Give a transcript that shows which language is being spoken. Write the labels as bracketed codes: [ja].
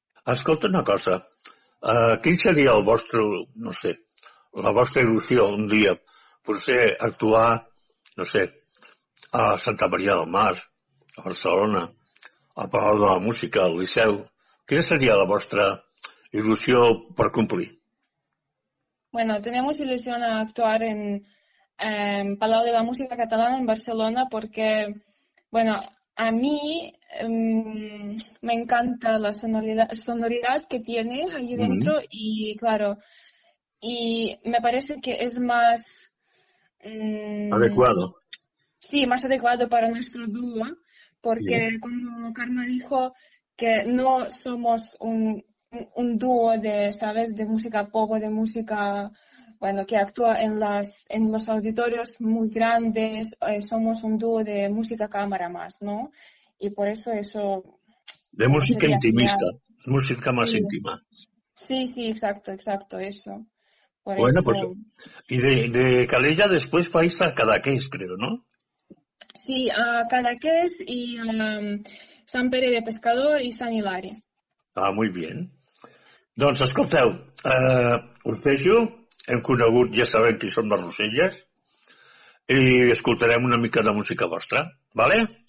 [ca] Escolta una cosa, quin seria el vostre, no sé, la vostra il·lusió un dia? Potser actuar, no sé, a Santa Maria del Mar, a Barcelona, a Palau de la Música, al Liceu. Quina seria la vostra il·lusió per complir? [es] Bueno, tenemos ilusión a actuar en Palau de la Música Catalana en Barcelona porque, bueno, a mí me encanta la sonoridad que tiene allí dentro y, claro, y me parece que es más... ¿Adecuado? Sí, más adecuado para nuestro dúo porque sí. Como Karma dijo... que no somos un dúo de, ¿sabes?, de música pop o de música, bueno, que actúa en los auditorios muy grandes, somos un dúo de música cámara más, ¿no? Y por eso... De música intimista, genial. Música más íntima. Sí, exacto, eso. Por bueno, eso, pues, y de Calella después vais a Cadaqués, creo, ¿no? Sí, a Cadaqués y a... [ca] Sant Pere de Pescador i Sant Hilari. Ah, molt bé. Doncs, escolteu, us deixo, hem conegut, ja sabem qui són les Roselles, i escoltarem una mica de música vostra, vale?